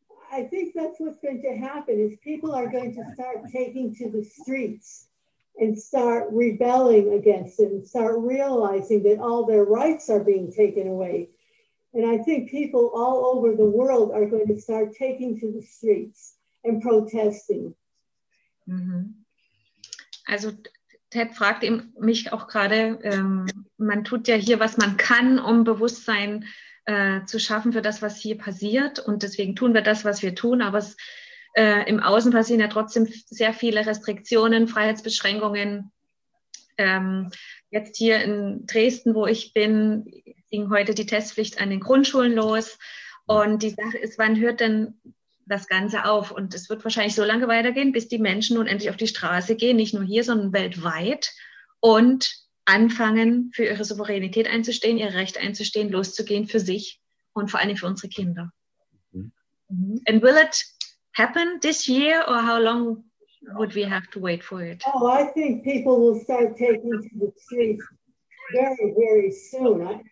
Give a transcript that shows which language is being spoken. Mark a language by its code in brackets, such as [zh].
[en] I think that's what's going to happen, is people are going to start taking to the streets and start rebelling against it and start realizing that all their rights are being taken away. And I think people all over the world are going to start taking to the streets and protesting. Mm-hmm. [de] Also Ted fragt mich auch gerade, man tut ja hier, was man kann, um Bewusstsein zu schaffen für das, was hier passiert. Und deswegen tun wir das, was wir tun. Aber im Außen passieren ja trotzdem sehr viele Restriktionen, Freiheitsbeschränkungen. Jetzt hier in Dresden, wo ich bin, ging heute die Testpflicht an den Grundschulen los. Und die Sache ist, wann hört denn das Ganze auf? Und es wird wahrscheinlich so lange weitergehen, bis die Menschen nun endlich auf die Straße gehen, nicht nur hier, sondern weltweit, und anfangen, für ihre Souveränität einzustehen, ihr Recht einzustehen, loszugehen für sich und vor allem für unsere Kinder. Mm-hmm. [en] And will it happen this year, or how long would we have to wait for it? Oh, I think people will start taking to the streets very, very soon.